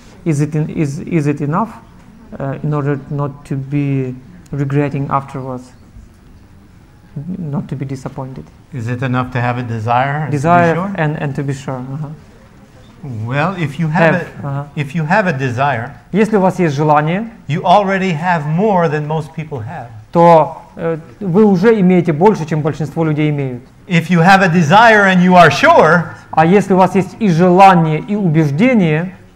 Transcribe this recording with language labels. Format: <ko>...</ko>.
<en>Is it enough in order not to be regretting afterwards? Not to be disappointed. Is it enough to have a desire? Desire to be sure? and to be sure. Well, if you if you have a desire,</en> <ru>если у вас есть желание,</ru> <en>you already have more than most people have.</en> <ru>То вы уже имеете больше, чем большинство людей имеют.</ru> <en>If you have a desire and you are sure,</en> <ru>а если у вас есть и желание, и убеждение,</ru>